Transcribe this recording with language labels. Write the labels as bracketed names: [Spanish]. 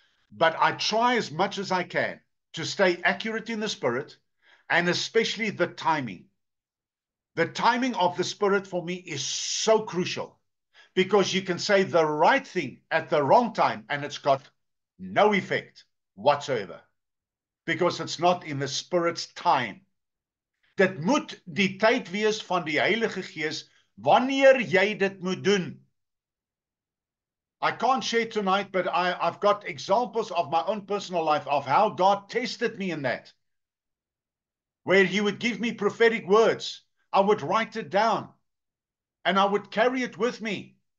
[English] But I try as much as I can to stay accurate in the Spirit, and especially the timing. The timing of the Spirit for me is so crucial, because you can say the right thing at the wrong time and it's got no effect whatsoever, because it's not in the Spirit's time. [Afrikaans] Dit moet die tyd wees van die Heilige Gees wanneer jy dit moet doen. [English] I can't share tonight, but I've got examples of my own personal life of how God tested me in that. Where he would give me prophetic words, I would write it down and I would carry it with me.